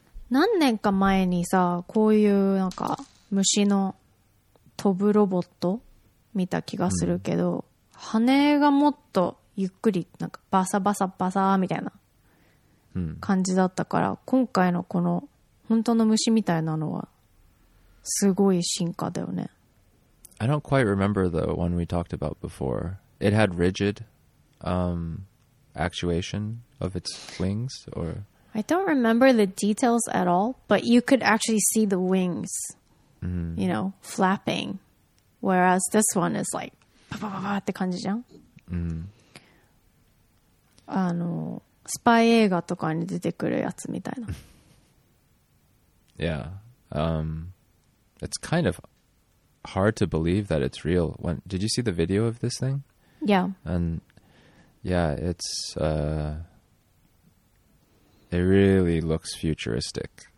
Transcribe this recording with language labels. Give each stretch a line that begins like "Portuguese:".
Japanese: 何年か前にさ、こういうなんか虫の飛ぶロボット見た気がするけど、羽がもっとゆっくりなんかバサバサバサみたいな感じだったから、今回のこの本当の虫みたいなのはすごい進化だよね。
English: I don't quite remember the one we talked about before. It had rigid actuation of its wings, or I don't remember the details at all, but you could actually see the wings, you know, flapping, whereas this one is like
Japanese: パパパパって感じじゃん。あのスパイ映画とかに出てくるやつみたいな。
English: Yeah, it's kind of hard to believe that it's real. When did you see the video of this thing? Yeah. And yeah, it's it really looks futuristic.